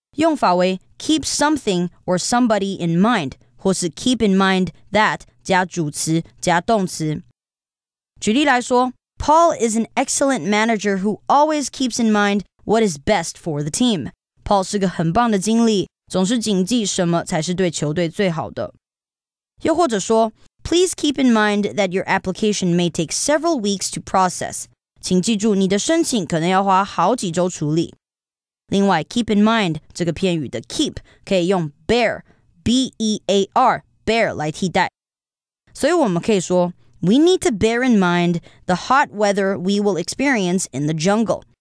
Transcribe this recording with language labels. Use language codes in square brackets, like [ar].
[zh] 用法为 [en] keep something or somebody in mind, [zh] 或是 [en] keep in mind that [zh] 加主词加动词。举例来说 [en] ,Paul is an excellent manager who always keeps in mind what is best for the team. [zh] Paul 是个很棒的经理，总是谨记什么才是对球队最好的。又或者说 [en] please keep in mind that your application may take several weeks to process. [zh] 请记住你的申请可能要花好几周处理。另外 keep in mind 这个片语的 keep 可以用 bear, B-E-A-R, bear 来替代。所以我们可以说 [en] We need to bear in mind the hot weather we will experience in the jungle.